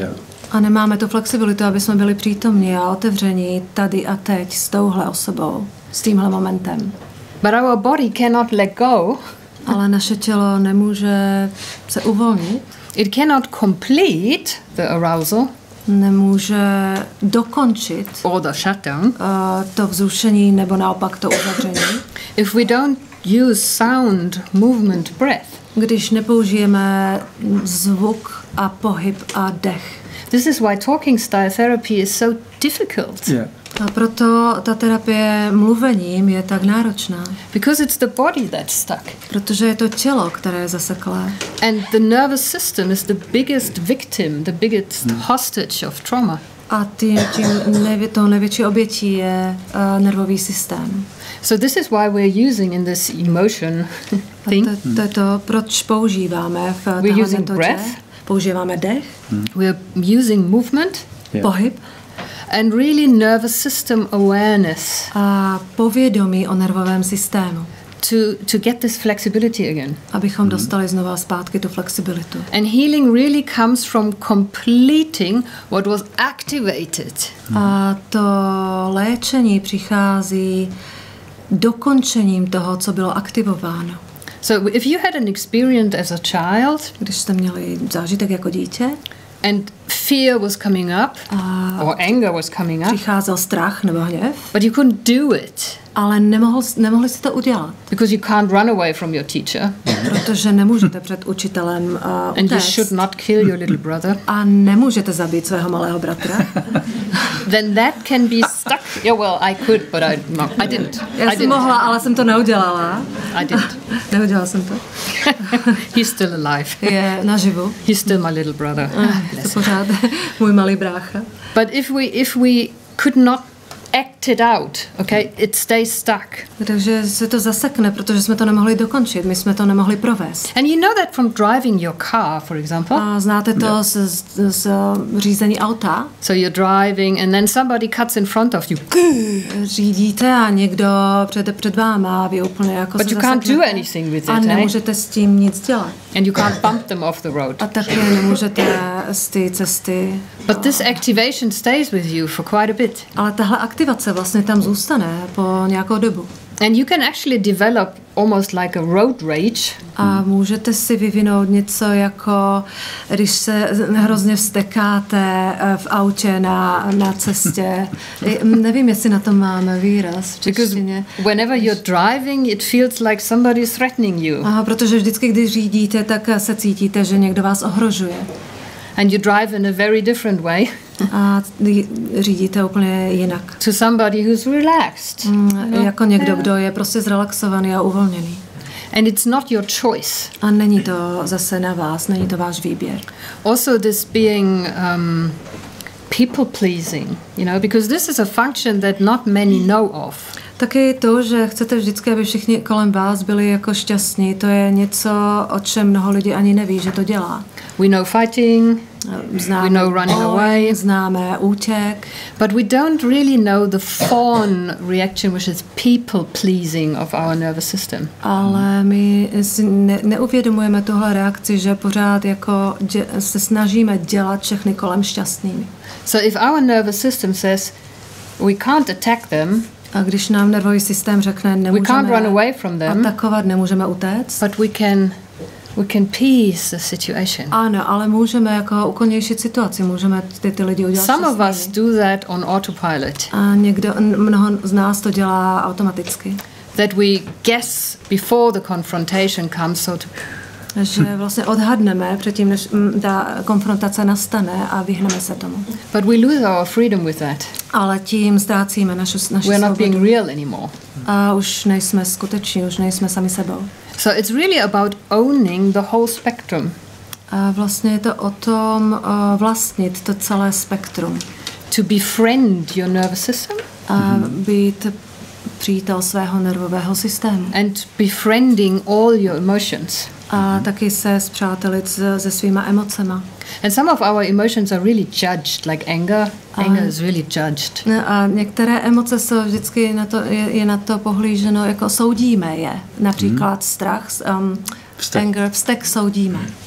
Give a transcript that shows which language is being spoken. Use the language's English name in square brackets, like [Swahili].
[English] Yeah. [Czech] A nemáme tu flexibilitu, aby jsme byli přítomní a otevření tady a teď s touhle osobou, s tímhle momentem. [English] But our body cannot let go. [Czech] Ale naše tělo nemůže se uvolnit. [English] It cannot complete the arousal. [Czech] Nemůže dokončit [English] or the shutdown. [Czech] To vzrušení nebo naopak to uzavření. [English] If we don't use sound, movement, breath. [Czech] Když nepoužijeme zvuk a pohyb a dech. [English] This is why talking style therapy is so difficult. Yeah. [Czech] A proto ta terapie mluvením je tak náročná. [English] Because it's the body that's stuck. [Czech] Protože je to tělo, které je zaseklé. [English] And the nervous system is the biggest victim, the biggest hostage of trauma. [Czech] A to největší obětí je nervový systém. [English] So this is why we're using in this emotion thing. [Czech] To je to, proč používáme v tahle metodě. [English] Breath. [Czech] Používáme dech. [English] We're using movement. [Czech] Yeah. Pohyb. [English] And really nervous system awareness. [Czech] A povědomí o nervovém systému. [English] To get this flexibility again. [Czech] Abychom dostali znova zpátky tu flexibilitu. [English] And healing really comes from completing what was activated. [Czech] A to léčení přichází dokončením toho, co bylo aktivováno. [English] So if you had an experience as a child, [Czech] když jste měli zážitek jako dítě, [English] and fear was coming up, or anger was coming up, [Czech] přicházel strach nebo hněv, [English] but you couldn't do it, [Czech] ale nemohli jste to udělat, [English] because you can't run away from your teacher, [Czech] protože nemůžete před učitelem utéct, [English] and you should not kill your little brother, [Czech] a nemůžete zabít svého malého bratra, [English] then that can be stuck. Yeah, well, I could, but I didn't. [Czech] Já jsem mohla, ale jsem to neudělala. [English] I didn't. [Czech] Neudělala jsem to. [English] He's still alive. [Czech] Je naživu. [English] He's still my little brother. [Czech] To pořád můj malý brácha. [English] But if we could not act it out, okay? It stays stuck. [Czech] Takže se to zasekne, protože jsme to nemohli dokončit, my jsme to nemohli provést. [English] And you know that from driving your car, for example. [Czech] A znáte to z řízení auta. [English] So you're driving and then somebody cuts in front of you. [Czech] Řídíte a někdo před váma a vy úplně jako se zaseknete. [English] But you can't do anything with it, [Czech] a nemůžete s tím nic dělat. [English] And you can't bump them off the road. [Czech] A taky nemůžete z té cesty. [English] But this activation stays with you for quite a bit. [Czech] Ale tahle aktivace vlastně tam zůstane po nějakou dobu. [English] And you can actually develop almost like a road rage. [Czech] A můžete si vyvinout něco jako, když se hrozně vztekáte v autě na cestě. Nevím, jestli na to máme výraz v češtině. [English] Because whenever you're driving, it feels like somebody is threatening you. [Czech] A protože vždycky, když řídíte, tak se cítíte, že někdo vás ohrožuje. [English] And you drive in a very different way. [Czech] A řídíte úplně jinak. [English] To somebody who's relaxed. [Czech] Jako někdo, kdo je prostě zrelaxovaný a uvolněný. [English] And it's not your choice. [Czech] A není to zase na vás, není to váš výběr. [English] Also this being people pleasing, you know, because this is a function that not many know of. [Czech] Taky to, že chcete vždycky, aby všichni kolem vás byli jako šťastní, to je něco, o čem mnoho lidí ani neví, že to dělá. [English] We know fighting, [Czech] známe, [English] we know running away, [Czech] známe útěk, [English] but we don't really know the fawn reaction, which is people pleasing of our nervous system. [Czech] Ale my si neuvědomujeme tuhle reakci, že pořád jako se snažíme dělat všechny kolem šťastnými. [English] So if our nervous system says we can't attack them, [Czech] a když nám nervový systém řekne, nemůžeme, [English] we can't run away from them, [Czech] atakovat, nemůžeme utéct, [English] but we can peace the situation. [Czech] Ano, ale můžeme jako ukonejšit situaci, můžeme ty lidi udělat. [English] Some of us do that on autopilot. [Czech] A někdo, mnoho z nás to dělá automaticky. [English] That we guess before the confrontation comes, so to. [Czech] Že vlastně odhadneme předtím, než ta konfrontace nastane a vyhneme se tomu. [English] But we lose our freedom with that. [Czech] Ale tím ztrácíme naši svobodu. [English] We're not being real anymore. [Czech] A už nejsme skuteční, už nejsme sami sebou. [English] So it's really about owning the whole spectrum. [Czech] A vlastně je to o tom vlastnit to celé spektrum. [English] To befriend your nervous system. [Czech] A být přítel svého nervového systému. [English] And befriending all your emotions. [Czech] A taky se spřátelit se svýma emocema. [English] And some of our emotions are really judged, like anger. Anger is really judged. [Czech] A některé emoce jsou vždycky na to pohlíženo, jako soudíme je. Například strach, [English] anger, [Czech] vztek soudíme.